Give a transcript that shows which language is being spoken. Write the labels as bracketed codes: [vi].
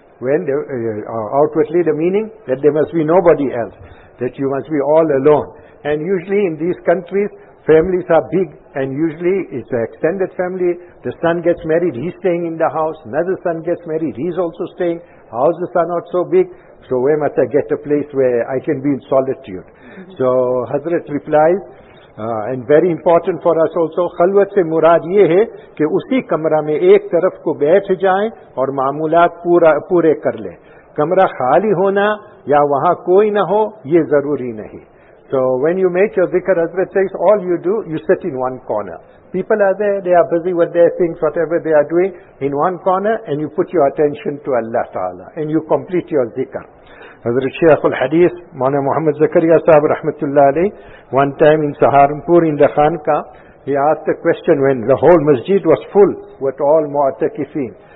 [en] When outwardly the meaning that there must be nobody else, that you must be all alone. And usually in these countries families are big, and usually it's the extended family. The son gets married, he's staying in the house. Another son gets married, he's also staying. Houses are not so big, so where must I get a place where I can be in solitude? So Hazrat replies, and very important for us also, [ur] خلوت سے مراد یہ ہے کہ اسی کمرہ میں ایک طرف کو بیٹھ جائیں اور معاملات پورے کر لیں. کمرہ خالی ہونا یا وہاں کوئی نہ ہو یہ ضروری نہیں. [en] So when you make your dhikr, Hazrat says, all you do, you sit in one corner. People are there, they are busy with their things, whatever they are doing, in one corner, and you put your attention to Allah Ta'ala and you complete your dhikr. Hazrat Shaykh al-Hadith, Maulana Muhammad Zakariya Sahib Rahmatullah Ali, one time in Saharanpur in the Khanqa, he asked a question when the whole masjid was full with all mu'takifin.